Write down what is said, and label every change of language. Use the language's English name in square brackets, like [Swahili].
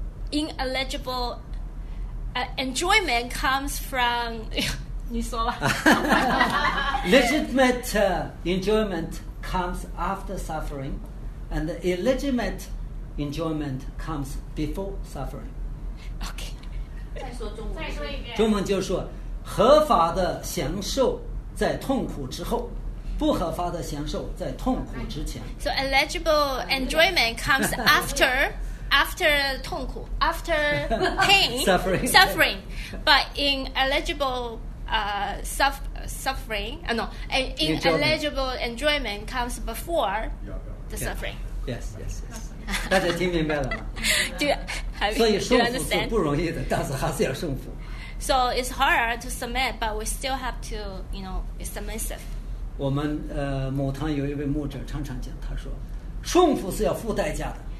[English] ineligible enjoyment comes from [Chinese] 你说吧 [English] legitimate enjoyment comes after suffering and the illegitimate enjoyment comes before suffering OK [Chinese] 再说一遍中文就是说合法的享受在痛苦之后不合法的享受在痛苦之前 [English] So eligible enjoyment comes afterAfter 痛苦 after pain, suffering, but ineligible suffering, no, ineligible enjoyment comes before the suffering. Yes, yes, yes. [Chinese] 大家听明白了吗？对，所以顺服是不容易的，但是还是要顺服。 [English] So it's harder to submit, but we still have to, you know, be submissive. [Chinese] 我们某堂有一位牧者常常讲，他说，顺服是要付代价的。